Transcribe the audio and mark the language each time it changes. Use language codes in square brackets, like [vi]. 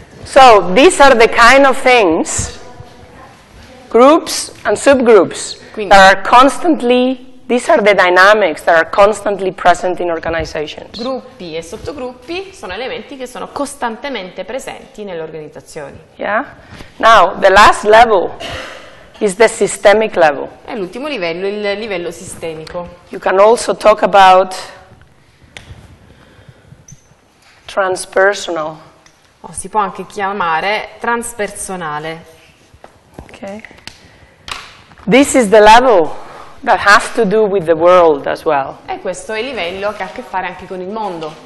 [en] So these are the kind of things, groups and subgroups, [it] quindi, [en] that are constantly. These are the dynamics that are constantly present in organizations. [it] Gruppi e sottogruppi sono elementi che sono costantemente presenti nelle organizzazioni. [en] Yeah. Now, the last level is the systemic level. [it] È l'ultimo livello, il livello sistemico. [en] You can also talk about transpersonal. [it] O si può anche chiamare transpersonale. [en] Okay. This is the level that has to do with the world as well. [it] E questo è il livello che ha a che fare anche con il mondo.